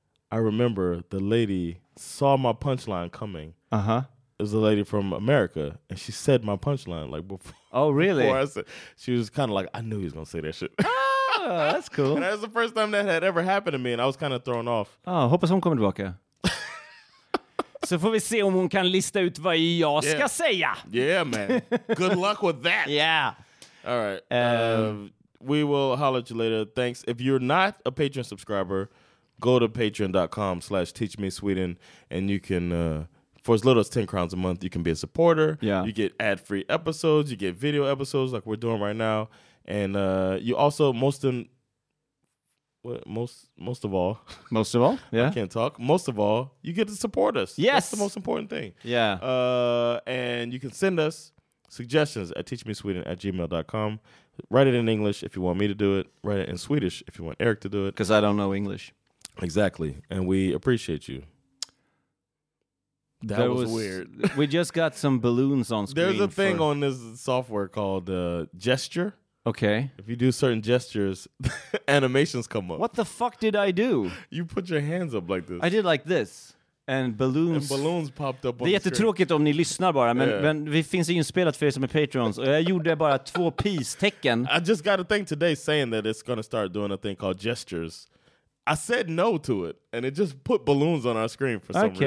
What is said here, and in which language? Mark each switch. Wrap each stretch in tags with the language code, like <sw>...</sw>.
<en>I remember the lady saw my punchline coming. Uh-huh. It was a lady from America, and she said my punchline like before. Oh, really? Before I said, she was kind of like, I knew he was going to say that shit. Oh, that's cool. And that was the first time that had ever happened to me, and I was kind of thrown off.</en> <sv>Oh, hoppas hon kommer tillbaka. Så får vi se om hon kan lista ut vad jag ska säga.</sv> <en>Yeah, man. Good luck with that. Yeah. All right. We will holler at you later. Thanks. If you're not a Patreon subscriber, go to patreon.com/teachmesweden, and you can For as little as 10 crowns a month, you can be a supporter. Yeah. You get ad-free episodes. You get video episodes like we're doing right now. And you also, most of all. Most of all, yeah. I can't talk. Most of all, you get to support us. Yes. That's the most important thing. Yeah. And you can send us suggestions at teachmesweden@gmail.com. Write it in English if you want me to do it. Write it in Swedish if you want Eric to do it. Because I don't know English. Exactly. And we appreciate you. That was weird. We just got some balloons on screen. There's a thing on this software called Gesture. Okay. If you do certain gestures, animations come up. What the fuck did I do? You put your hands up like this. I did like this. And balloons popped up on the screen.</en> <sv>Det är jättetråkigt om ni lyssnar bara, men vi finns ju inspelat för er som är Patreons. Och jag gjorde bara två peace-tecken.</sv> <en>I just got a thing today saying that it's going to start doing a thing called gestures. I said no to it, and it just put balloons on our screen for some reason.</en>